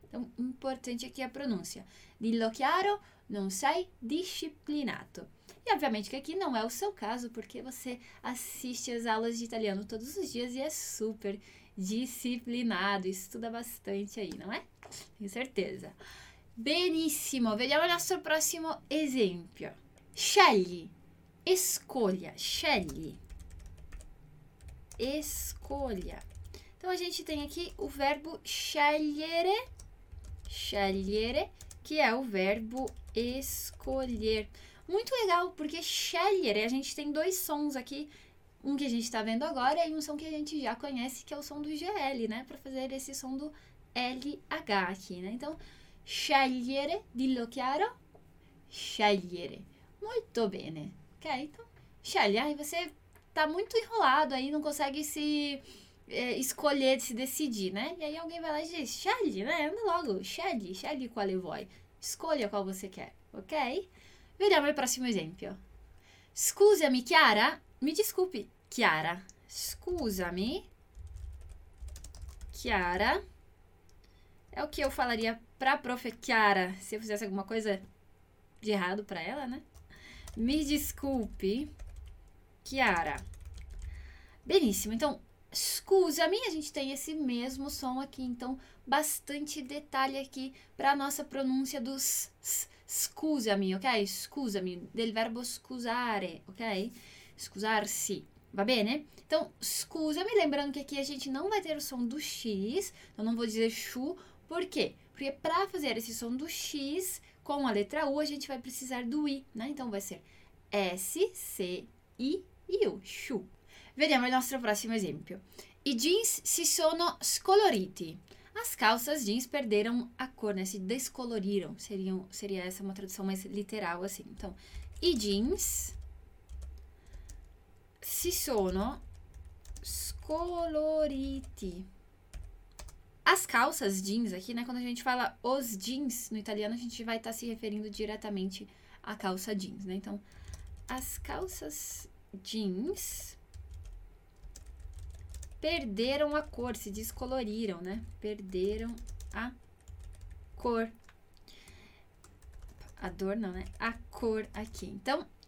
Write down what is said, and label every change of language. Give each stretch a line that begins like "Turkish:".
Portuguese: Então, importante aqui a pronúncia.
Italian: Dillo chiaro. Non sei disciplinato.
Portuguese: E obviamente que aqui não é o seu caso, porque você assiste as aulas de italiano todos os dias e é super disciplinado, estuda bastante aí, não é? Tenho certeza.
Italian: Benissimo, vediamo il nostro prossimo esempio. Scegli, escolha, scegli, escolha.
Portuguese: Então a gente tem aqui o verbo scegliere, scegliere, que é o verbo escolher. Muito legal, porque scegliere, a gente tem dois sons aqui, um que a gente está vendo agora e um som que a gente já conhece, que é o som do GL, né? Para fazer esse som do LH aqui, né? Então, scegliere,
Italian: dillo chiaro,
Portuguese: scegliere. Muito bene, ok? Então, scegliere, aí você tá muito enrolado aí, não consegue escolher, se decidir, né? E aí alguém vai lá e diz, scegli, né? Anda logo,
Italian: scegli, scegli quale vuoi.
Portuguese: Escolha qual você quer, ok?
Italian: Vediamo il prossimo esempio. Scusami, Chiara.
Portuguese: Mi disculpi, Chiara.
Italian: Scusami, Chiara.
Portuguese: É o que eu falaria pra prof. Chiara se eu fizesse alguma coisa de errado pra ela, né? Mi disculpi, Chiara. Benissimo, então, scusami, a gente tem esse mesmo som aqui, então bastante detalhe aqui para a nossa pronúncia dos scusami, ok?
Italian: Scusami, del verbo scusare, ok? Scusarsi, va bene?
Portuguese: Então, scusami, lembrando que aqui a gente não vai ter o som do X, então não vou dizer chu, por quê? Porque para fazer esse som do X com a letra U, a gente vai precisar do I, né? Então vai ser S, C, I e U, chu.
Italian: Vediamo il nostro prossimo esempio. I jeans si sono scoloriti.
Portuguese: As calças jeans perderam a cor, né? Se descoloriram. Seria essa uma tradução mais literal, assim. Então,
Italian: i jeans si sono scoloriti.
Portuguese: As calças jeans aqui, né? Quando a gente fala os jeans no italiano, a gente vai estar se referindo diretamente à calça jeans, né? Então, as calças jeans perderam a cor, se descoloriram, né? Perderam a cor. A dor não, né? A cor aqui. Então,